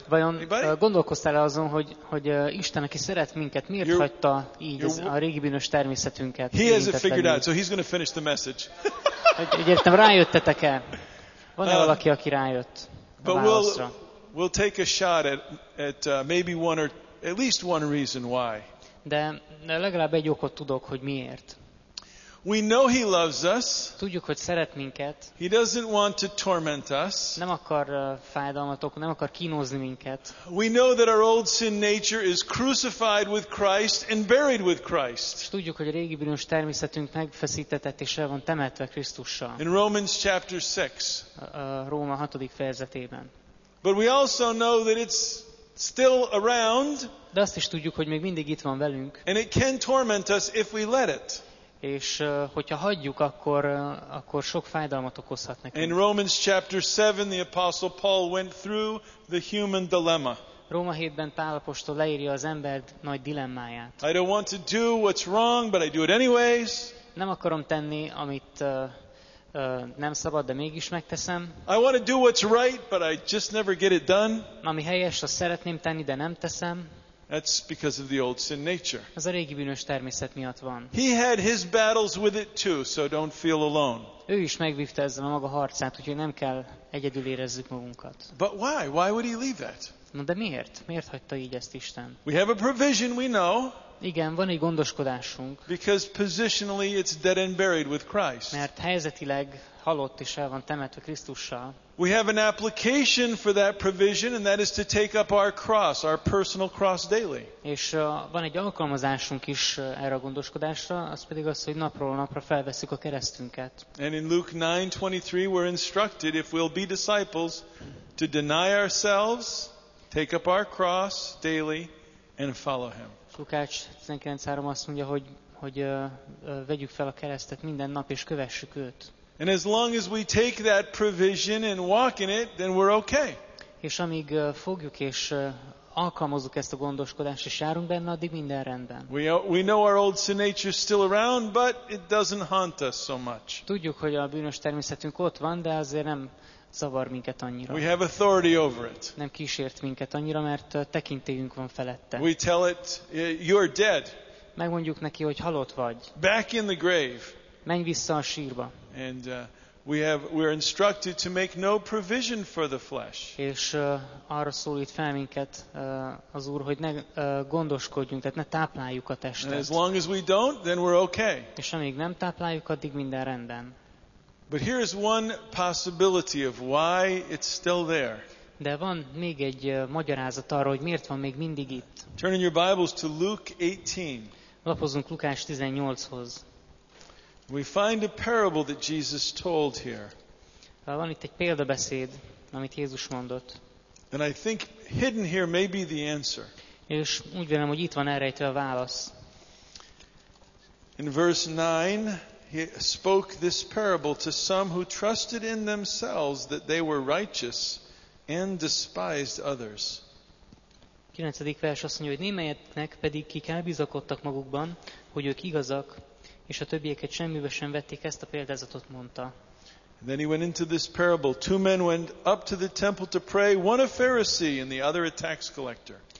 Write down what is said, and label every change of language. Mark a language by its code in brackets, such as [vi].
[hu] Vajon gondolkoztál azon, hogy Isten, aki szeret minket, miért hagyta így a régi bűnös természetünket? [en] He has it figured out, so he's going to finish the message. [hu] Egyértem, rájöttetek-e? Van-e valaki, aki rájött a válaszra? [en] But we'll take a shot at maybe one or at least one reason why. [hu] De legalább egy okot tudok, hogy miért. [en] We know he loves us. [hu] Tudjuk, hogy szeret minket. [en] He doesn't want to torment us. [hu] Nem akar fájdalmat okozni, nem akar kínozni minket. [en] We know that our old sin nature is crucified with Christ and buried with Christ. [hu] Tudjuk, hogy a régi bűnös természetünk megfeszítetett és el van temetve Krisztussal. [en] In Romans chapter 6. [hu] Róma 6. fejezetében. [en] But we also know that it's still around. [hu] De azt is tudjuk, hogy még mindig itt van velünk. [en] And it can torment us if we let it. [hu] És hogyha hagyjuk, akkor sok fájdalmat okozhat nekünk. [en] In Romans chapter 7, the apostle Paul went through the human dilemma. [hu] Róma 7-ben Pál apostol leírja az ember nagy dilemmáját. [en] I don't want to do what's wrong, but I do it anyways. [hu] Nem akarom tenni, amit nem szabad, de mégis megteszem. [en] I want to do what's right, but I just never get it done. [hu] Ami helyes, azt szeretném tenni, de nem teszem. [en] That's because of the old sin nature. [hu] Ez a régi bűnös természet miatt van. [en] He had his battles with it too, so don't feel alone. [hu] Ő is megvívta ezzel a maga harcát, úgyhogy nem kell egyedül érezzük magunkat. [en] But why? Why would he leave that? [hu] Na de miért? Miért hagyta így ezt Isten? [en] We have a provision, we know. [hu] Igen, van egy gondoskodásunk. [en] Because positionally it's dead and buried with Christ. [hu] Mert helyzetileg halott és el van temetve Krisztussal. [en] We have an application for that provision, and that is to take up our cross, our personal cross daily. [hu] És van egy alkalmazásunk is erre a gondoskodásra, az pedig az, hogy napról napra felveszük a keresztünket. [en] And in Luke 9:23 we're instructed, if we'll be disciples, to deny ourselves, take up our cross daily, and follow him. [hu] Lukács 19:3 azt mondja, hogy vegyük fel a keresztet minden nap, és kövessük őt. [en] And as long as we take that provision and walk in it, then we're okay. [hu] És amíg fogjuk és alkalmazzuk ezt a gondoskodást és járunk benne, addig minden rendben. [en] We know our old sin nature is still around, but it doesn't haunt us so much. [hu] Tudjuk, hogy a bűnös természetünk ott van, de azért nem zavar minket annyira. [en] We have authority over it. [hu] Nem kísért minket annyira, mert tekintélyünk van felette. [en] We tell it, you're dead. [hu] Megmondjuk neki, hogy halott vagy. [en] Back in the grave. [hu] Menj vissza a sírba. [en] And we're instructed to make no provision for the flesh. [hu] És arra szólít fel minket az Úr, hogy ne gondoskodjunk, tehát ne tápláljuk a testet. [en] And as long as we don't, then we're okay. [hu] És amíg nem tápláljuk, addig minden rendben. [en] But here is one possibility of why it's still there. [hu] De van még egy magyarázat arra, hogy miért van még mindig itt. [en] Turn in your Bibles to Luke 18. [hu] Lapozzunk Lukács 18-hoz. [en] We find a parable that Jesus told here. [hu] Van itt egy példabeszéd, amit Jézus mondott. [en] And I think hidden here may be the answer. [hu] És úgy vélem, hogy itt van elrejtve a válasz. [en] In verse 9, he spoke this parable to some who trusted in themselves that they were righteous and despised others. [hu] 9. vers azt mondja, hogy némelyeknek pedig kik elbizakodtak magukban, hogy ők igazak, és a többieket semmibe sem vették, ezt a példázatot mondta. [en] And then he went into this parable. Two men went up to the temple to pray, one a Pharisee and the other a tax collector.